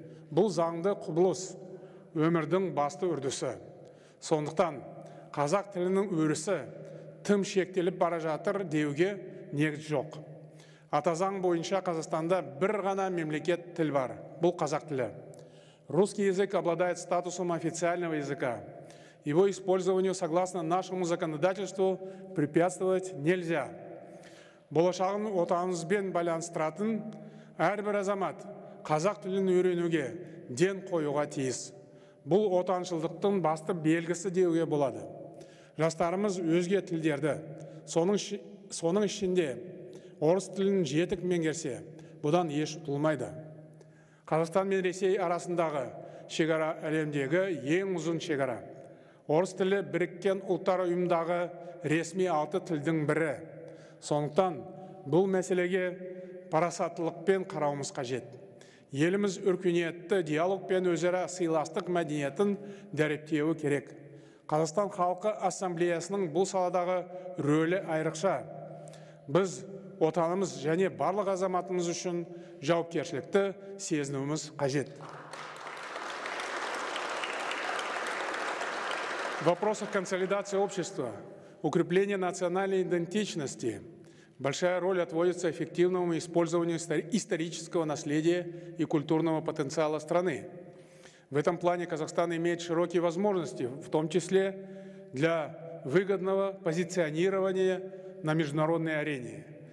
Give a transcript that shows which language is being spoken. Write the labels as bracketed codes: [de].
[kk] Бұл заңды құбылыс, өмірдің басты үрдісі. Сондықтан қазақ тілінің өрісі тым шектеліп бара жатыр деуге негіз жоқ. Ата заң бойынша Қазақстанда бір ғана мемлекет тіл бар. Бұл қазақ тілі. [ru] Русский язык обладает статусом официального языка. Его использованию, согласно нашему законодательству, препятствовать нельзя. [kk] Болашағын отанызбен байланыстыратын әрбір азамат қазақ тілін үйренуге ден қоюға тиіс. Бұл отаншылдықтың басты белгісі деуге болады. Жастарымыз өзге тілдерді, соның ішінде орыс тілін жетік меңгерсе, бұдан еш ұтылмайды. Қазақстан мен Ресей арасындағы шекара әлемдегі ең ұзын шекара. Орыс тілі Біріккен ұлттар ұйымындағы ресми 6 тілдің бірі. Сондықтан бұл мәселеге парасаттылықпен қарауымыз қажет. Еліміз өркениетті диалогпен өзара сыйластық мәдениетін дәріптеуі керек. Қазақстан халқы ассамблеясының бұл саладағы рөлі айрықша. Біз отанымыз және барлық азаматымыз үшін жауапкершілікті сезінуіміз қажет. [ru] В вопросах консолидации общества, укрепления национальной идентичности большая роль отводится эффективному использованию исторического наследия и культурного потенциала страны. В этом плане Казахстан имеет широкие возможности, в том числе для выгодного позиционирования на международной арене.